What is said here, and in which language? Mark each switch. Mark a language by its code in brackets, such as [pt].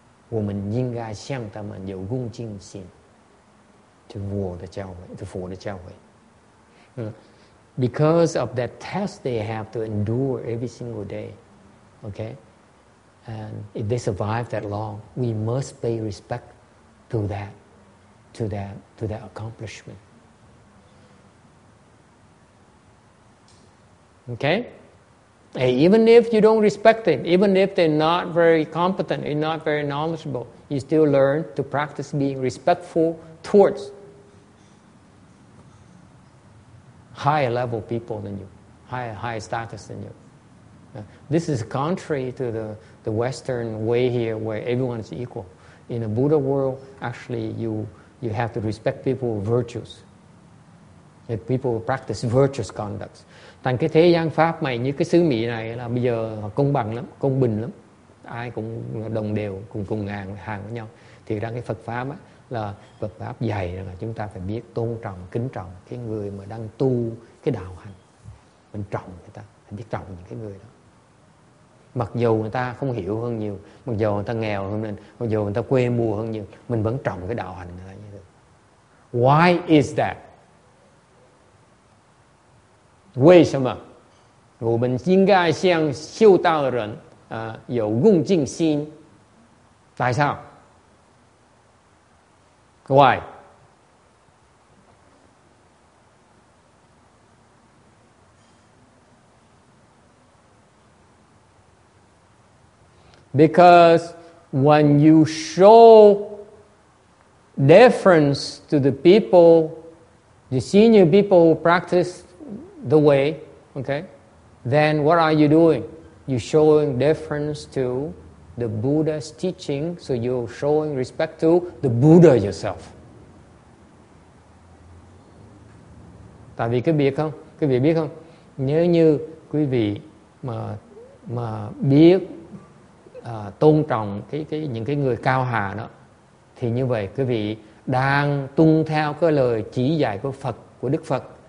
[zh] 我们应该向他们有恭敬心，就我的教诲，就佛的教诲。 [en] Because of that test they have to endure every single day, okay? And if they survive that long, we must pay respect to that accomplishment. Okay? Hey, even if you don't respect them, even if they're not very competent and not very knowledgeable, you still learn to practice being respectful towards higher level people than you, higher status than you. This is contrary to the Western way here, where everyone is equal. In the Buddha world, actually, you have to respect people's virtues. If people practice virtuous conducts. [vi] Thành cái thế gian pháp mày như cái xứ Mỹ này là bây giờ công bằng lắm, công bình lắm, ai cũng đồng đều, cùng ngang hàng với nhau. Thì ra cái Phật pháp á, là Phật pháp dạy là chúng ta phải biết tôn trọng, kính trọng cái người mà đang tu cái đạo hành, mình trọng người ta, mình biết trọng những cái người đó. Mặc dù người ta không hiểu hơn nhiều, mặc dù người ta nghèo hơn mình, mặc dù người ta quê mùa hơn nhiều, mình vẫn trọng cái đạo hành người ta như thế. [en] Why is that? [zh] 为什么我们应该向修道的人有恭敬心？大少？ [en] Why? Because when you show deference to the people, the senior people who practice the way, okay, then what are you doing? You're showing deference to the Buddha's teaching, so you're showing respect to the Buddha yourself. [vi] Tại vì cái việc không, quý vị biết không? Nếu như quý vị mà biết tôn trọng cái những cái người cao hạ đó, thì như vậy quý vị đang tuân theo cái lời chỉ dạy của Phật, của Đức Phật.